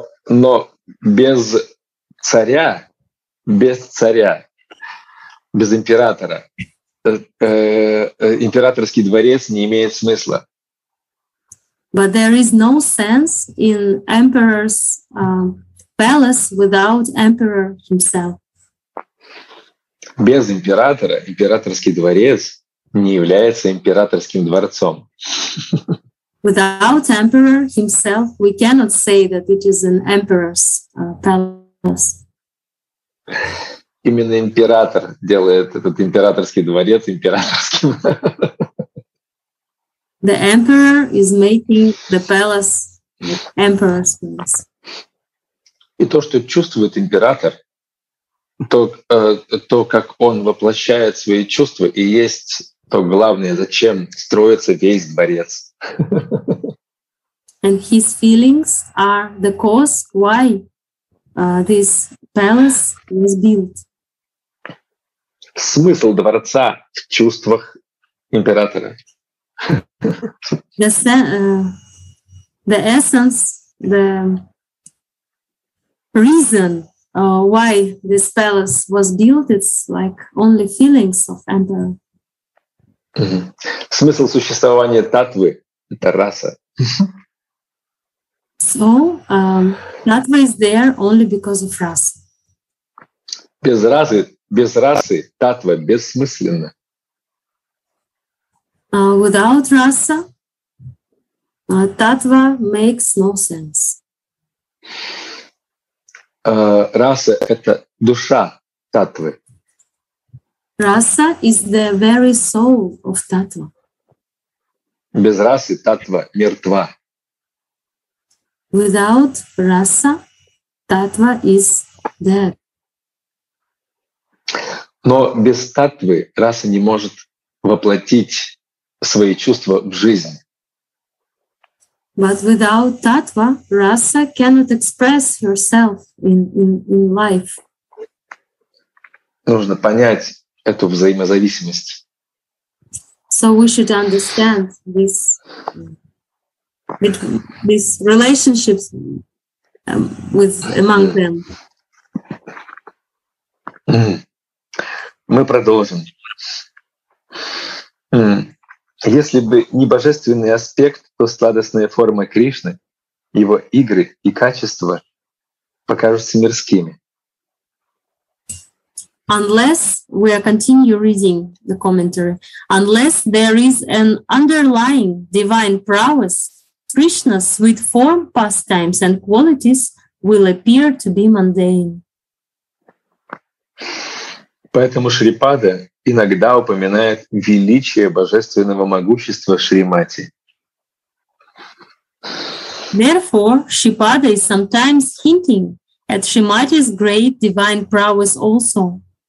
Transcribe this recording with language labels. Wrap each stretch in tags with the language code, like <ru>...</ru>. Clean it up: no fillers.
<ru>Но без царя, без императора, императорский дворец не имеет смысла.</ru> <en>But there is no sense in emperor's palace without emperor himself.</en> <ru>Без императора императорский дворец не является императорским дворцом.</ru> <en>Without emperor himself, we cannot say that it is an emperor's palace.</en> <ru>Именно император делает этот императорский дворец императорским.</ru> <en>The emperor is making the palace emperor's palace.</en> <ru>И то, что чувствует император, то, как он воплощает свои чувства, и есть то главное, зачем строится весь дворец.</ru> <en>And his feelings are the cause why this palace was built.</en> <ru>Смысл дворца в чувствах императора.</ru> <en>The essence, the reason why this palace was built, it's like only feelings of emperor.</en> <ru>Смысл существования татвы — это раса.</ru> <en>So, татва is there only because of rasa.</en> <ru>Без расы татва бессмысленна.</ru> <en>Without rasa, татва makes no sense.</en> <ru>Раса — это душа татвы.</ru> <en>Rasa is the very soul of татва.</en> <ru>Без расы татва мертва.</ru> <en>Without rasa, татва is dead.</en> <ru>Но без татвы раса не может воплотить свои чувства в жизнь.</ru> <en>But without татва, rasa cannot express herself in life.</en> <ru>Нужно понять эту взаимозависимость.</ru> <en>So we should understand this, this relationships with among them.</en> <ru>Мы продолжим. Если бы не божественный аспект, то сладостные формы Кришны, его игры и качества покажутся мирскими.</ru> <en>Unless we are continue reading the commentary, unless there is an underlying divine prowess, Krishna's sweet form, pastimes, and qualities will appear to be mundane.</en> <ru>Поэтому Шрипада иногда упоминает величие божественного могущества Шримати.</ru> <en>Therefore, Шрипада is sometimes hinting at Shrimati's great divine prowess also.</en>